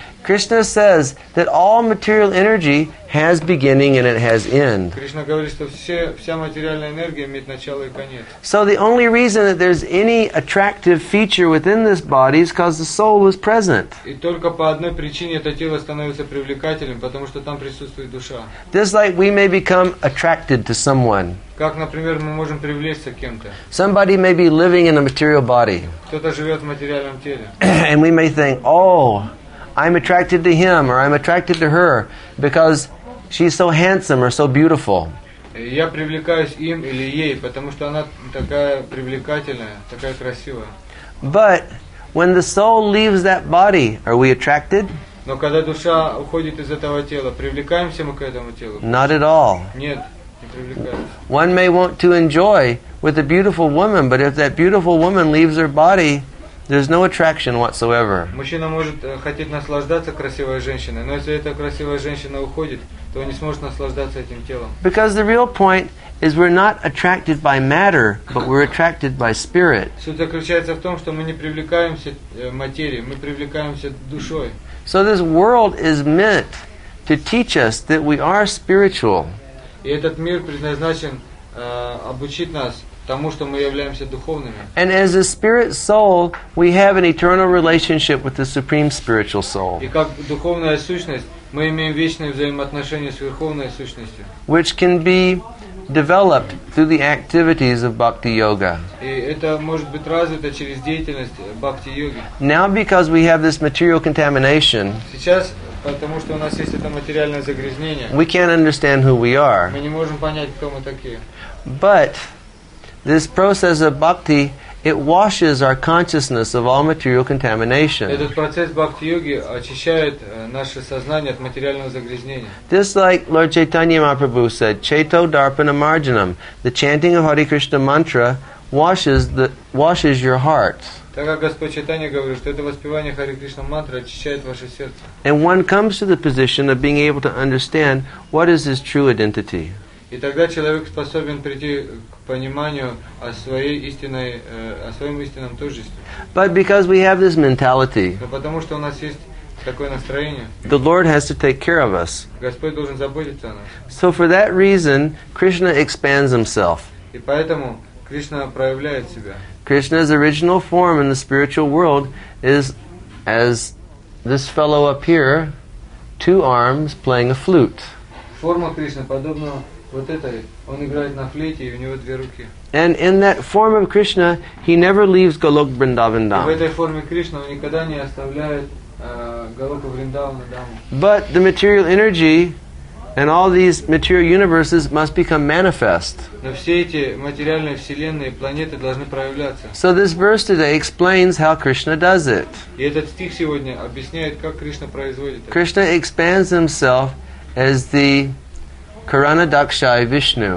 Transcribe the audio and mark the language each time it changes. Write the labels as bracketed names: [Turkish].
[English] Krishna says that all material energy has beginning and it has end. [Russian] Кришна говорит, что вся материальная энергия имеет начало и конец. [English] So the only reason that there's any attractive feature within this body is because the soul is present. [Russian] И только по одной причине это тело становится привлекательным, потому что там присутствует душа. [English] Just like we may become attracted to someone. [Russian] Как, например, мы можем привлечься к кем-то. [English] Somebody may be living in a material body. [Russian] Кто-то живет в материальном теле. [English] And we may think, oh, I'm attracted to him or I'm attracted to her because she's so handsome or so beautiful. [Russian] Я привлекаюсь им или ей, потому что она такая привлекательная, такая красивая. [English] But when the soul leaves that body, are we attracted? [Russian] Но когда душа уходит из этого тела, привлекаемся мы к этому телу? [English] Not at all. [Russian] Нет, не привлекаемся. [English] One may want to enjoy with a beautiful woman, but if that beautiful woman leaves her body, there's no attraction whatsoever. [Russian] Мужчина может хотеть наслаждаться красивой женщиной, но если эта красивая женщина уходит, то он не сможет наслаждаться этим телом. [English] Because the real point is we're not attracted by matter, but we're attracted by spirit. [Russian] Суть заключается в том, что мы не привлекаемся материей, мы привлекаемся душой. [English] So this world is meant to teach us that we are spiritual. [Russian] И этот мир предназначен обучить нас тому, что мы являемся духовными. [English] And as a spirit soul, we have an eternal relationship with the supreme spiritual soul. [Russian] И как духовная сущность, мы имеем вечные взаимоотношения с верховной сущностью. [English] Which can be developed through the activities of bhakti yoga. [Russian] И это может быть развито через деятельность бхакти йоги. [English] Now because we have this material contamination, [Russian] сейчас Потому что у нас есть это материальное загрязнение. [English] We can't understand who we are. [Russian] Мы не можем понять, кто мы такие. [English] But this process of bhakti, it washes our consciousness of all material contamination. [Russian] Этот процесс бхакти-йоги очищает наше сознание от материального загрязнения. [English] Just like Lord Chaitanya Mahaprabhu said, [Sanskrit] Chaito Darpana Marjanam, [English] the chanting of Hare Krishna mantra washes your heart. [Russian] Так как Господь Чайтанья говорит, что это воспевание Харе Кришна мантры очищает ваше сердце. [English] And one comes to the position of being able to understand what is his true identity. [Russian] И тогда человек способен прийти к пониманию о своей истинной, о своем истинном тождестве. [English] But because we have this mentality, [Russian] но потому что у нас есть такое настроение, [English] the Lord has to take care of us. [Russian] Господь должен заботиться о нас. [English] So for that reason, Krishna expands himself. [Russian] И поэтому Кришна проявляет себя. [English] Krishna's original form in the spiritual world is as this fellow up here, two arms playing a flute. [Russian] Форма Кришны подобна вот этой. Он играет на флейте, и у него две руки. [English] And in that form of Krishna, he never leaves Golok Vrindavan Dham. [Russian] В этой форме Кришна он никогда не оставляет Голока Вриндавана Даму. [English] But the material energy and all these material universes must become manifest. [Russian] Но все эти материальные вселенные, планеты должны проявляться. [English] So this verse today explains how Krishna does it. [Russian] И этот стих сегодня объясняет, как Кришна производит это. [English] Krishna expands himself as the Karana Dakshai Vishnu.